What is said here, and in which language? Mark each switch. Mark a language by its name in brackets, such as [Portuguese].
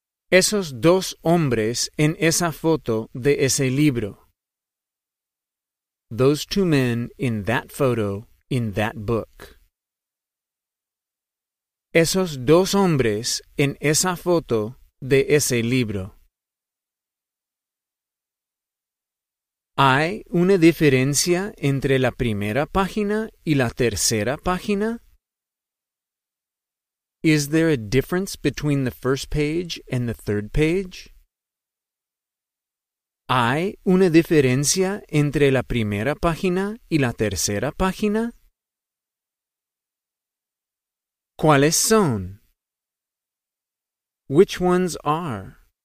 [Spanish] Esos dos hombres en esa foto de ese libro. [English] Those two men in that photo, in that book. [Spanish] Esos dos hombres en esa foto de ese libro. ¿Hay una diferencia entre la primera página y la tercera página? [English] Is there a difference between the first page and the third page? [Spanish] ¿Hay una diferencia entre la primera página y la tercera página? ¿Cuáles son? [English] Which ones are?